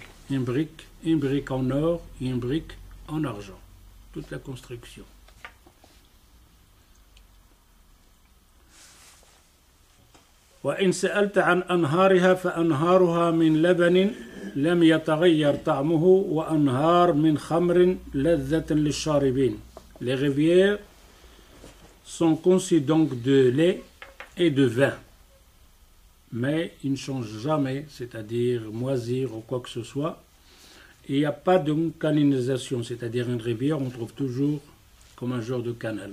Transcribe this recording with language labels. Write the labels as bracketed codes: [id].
[fr] Une brique en or, une brique en argent, toute la construction. [ar] وإن سألت عن أنهارها فأنهارها من لبن لم يتغير طعمه وأنهار من خمر لذة للشاربين. [fr] Les rivières sont conçues donc de lait et de vin, mais ils ne changent jamais, c'est-à-dire moisir ou quoi que ce soit. Il n'y a pas de canalisation, c'est-à-dire une rivière, on trouve toujours comme un genre de canal.